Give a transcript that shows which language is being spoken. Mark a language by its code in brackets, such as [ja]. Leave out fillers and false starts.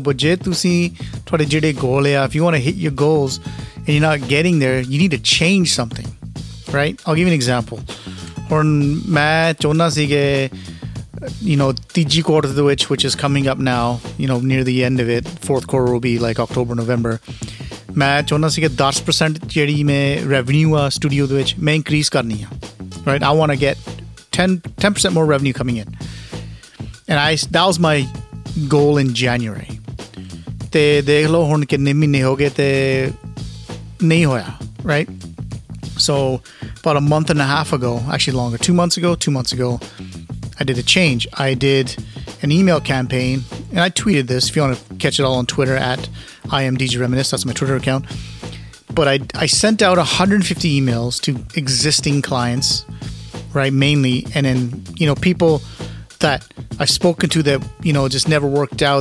[en] But if you want to hit your goals and you're not getting there, you need to change something, right? I'll give you an example. When I was in the third quarter, which is coming up now, you know, near the end of it, fourth quarter will be like October, November. [pa] ਮੈਂ ਚਾਹੁੰਦਾ ਸੀ ਕਿ 10% ਜਿਹੜੀ ਮੈਂ revenue ਆ studio ਦੇ ਵਿੱਚ ਮੈਂ increase ਕਰਨੀ ਆ [en] right I want to get 10% more revenue coming in and I that was my goal in January [pa] ਤੇ ਦੇਖ ਲਓ ਹੁਣ ਕਿੰਨੇ ਮਹੀਨੇ ਹੋ ਗਏ ਤੇ ਨਹੀਂ ਹੋਇਆ [en] Right so about a month and a half ago actually longer two months ago I did a change. I did an email campaign, and I tweeted this. If you want to catch it all on Twitter, at @IamDJReminisce, that's my Twitter account. But I sent out 150 emails to existing clients, right, mainly. And then, you know, people that I've spoken to that, you know, just never worked out.